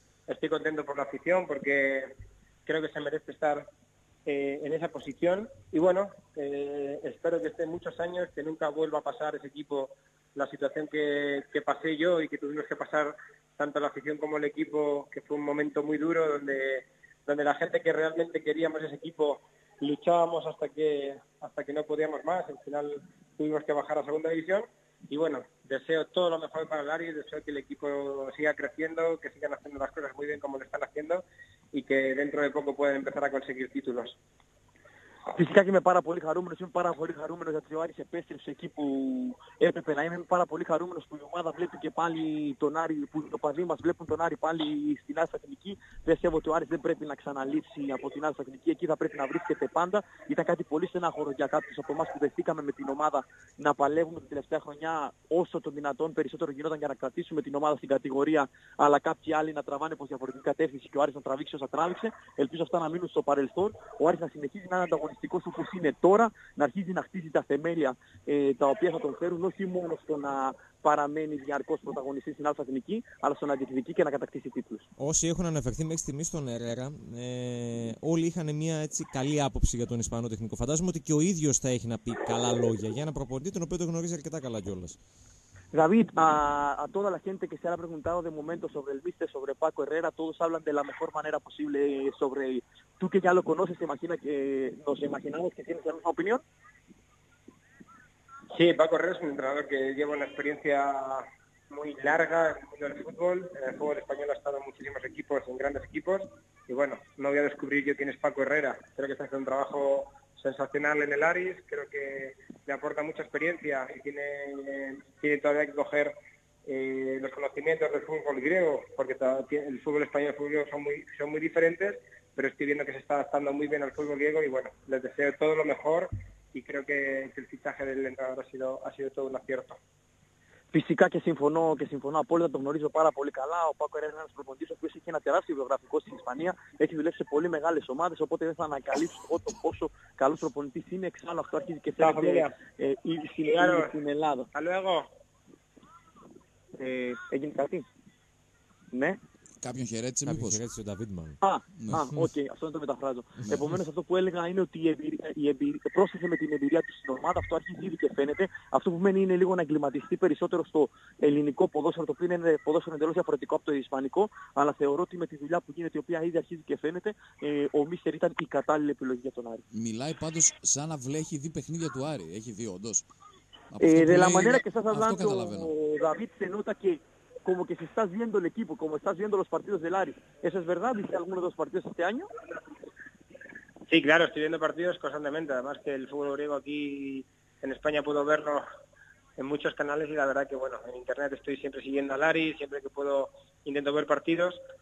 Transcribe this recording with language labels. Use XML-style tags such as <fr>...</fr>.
<es>Estoy contento por la afición porque creo que se merece estar en esa posición y bueno, espero que esté muchos años, que nunca vuelva a pasar ese equipo la situación que pasé yo y que tuvimos que pasar tanto la afición como el equipo, que fue un momento muy duro donde la gente que realmente queríamos ese equipo luchábamos hasta que no podíamos más, al final tuvimos que bajar a segunda división y bueno, deseo todo lo mejor para el Aries, deseo que el equipo siga creciendo, que sigan haciendo las cosas muy bien como lo están haciendo y que dentro de poco puedan empezar a conseguir títulos.</es> <el>Φυσικά και είμαι πάρα πολύ χαρούμενος, είμαι πάρα πολύ χαρούμενος γιατί ο Άρης επέστρεψε εκεί που έπρεπε να είμαι. Είμαι πάρα πολύ χαρούμενος που η ομάδα βλέπει και πάλι τον Άρη, που το παδί μας βλέπουν τον Άρη πάλι στην Άρης Αθηνική. Πιστεύω ότι ο Άρης δεν πρέπει να ξαναλείψει από την Άρης Αθηνική, εκεί θα πρέπει να βρίσκεται πάντα. Ήταν κάτι πολύ στενάχωρο για κάποιους από εμάς που δεθήκαμε με την ομάδα να παλεύουμε την τελευταία χρονιά όσο το δυνατόν περισσότερο γινόταν για να κρατήσουμε την ομάδα στην κατηγορία, αλλά κάποιοι άλλοι να τραβάνε προς διαφορετική κατεύθυνση και ο Άρης να τραβήξει όσα τράβηξε. Ελπίζω αυτά να μείνουν στο παρελθόν. Ο Άρης να συνεχίζει να είναι αγωνιστικός όπως είναι τώρα, να αρχίζει να χτίζει τα θεμέλια τα οποία θα τον φέρουν όχι μόνο στο να παραμένει διαρκώς πρωταγωνιστής στην Άλφα Εθνική, αλλά στο να διεκδικεί και να κατακτήσει τίτλους. Όσοι έχουν αναφερθεί μέχρι στιγμής στον Ερέρα, όλοι είχαν μια έτσι καλή άποψη για τον Ισπανό τεχνικό. Φαντάζομαι ότι και ο ίδιος θα έχει να πει καλά λόγια για ένα προπονητή τον οποίο το γνωρίζει αρκετά καλά κιόλας.</el> <es>David, a toda la gente que se ha preguntado de momento sobre el mister, sobre Paco Herrera, todos hablan de la mejor manera posible sobre él. Tú que ya lo conoces, imagina que nos imaginamos que tienes la misma opinión. Sí, Paco Herrera es un entrenador que lleva una experiencia muy larga en el fútbol. En el fútbol español ha estado en muchísimos equipos, en grandes equipos. Y bueno, no voy a descubrir yo quién es Paco Herrera. Creo que está haciendo un trabajo sensacional en el Aris, creo que le aporta mucha experiencia y tiene todavía que coger los conocimientos del fútbol griego, porque el fútbol español y el fútbol griego son muy diferentes, pero estoy viendo que se está adaptando muy bien al fútbol griego y bueno, les deseo todo lo mejor y creo que el fichaje del entrenador ha sido todo un acierto.</es> <el>Φυσικά και συμφωνώ απόλυτα, τον γνωρίζω πάρα πολύ καλά. Ο Πάκο Ερέρα είναι ένας προπονητής ο οποίος έχει ένα τεράστιο βιογραφικό στην Ισπανία. Έχει δουλέψει σε πολύ μεγάλες ομάδες, οπότε δεν θα ανακαλύψω εγώ το πόσο καλός προπονητής είναι. Εξάλλου αυτό αρχίζει και θέλει στην Ελλάδα. Καλό εγώ. Έγινε κάτι. Ναι. Κάποιον χαιρέτησε, μήπως. Κάποιον χαιρέτησε ο Νταβίτ Μαν. Okay, αυτό δεν το μεταφράζω. Επομένως, αυτό που έλεγα είναι ότι πρόσθεσε με την εμπειρία του στην ομάδα, αυτό αρχίζει ήδη και φαίνεται. Αυτό που μένει είναι λίγο να εγκληματιστεί περισσότερο στο ελληνικό ποδόσφαιρο, το οποίο είναι ποδόσφαιρο εντελώς διαφορετικό από το ισπανικό. Αλλά θεωρώ ότι με τη δουλειά που γίνεται, η οποία ήδη αρχίζει και φαίνεται, ο Μίστερ ήταν η κατάλληλη επιλογή για τον Άρη. Μιλάει πάντως σαν να βλέχει δει παιχνίδια του Άρη. Έχει δει όντως.</el> <es>De la manera que estás hablando, David, se nota que. Como que si estás viendo el equipo, como estás viendo los partidos del Ari. ¿Eso es verdad? ¿Viste alguno de los partidos este año? Sí, claro, estoy viendo partidos constantemente. Además que el fútbol griego aquí en España puedo verlo en muchos canales y la verdad que, bueno, en internet estoy siempre siguiendo al Ari, siempre que puedo intento ver partidos.</es>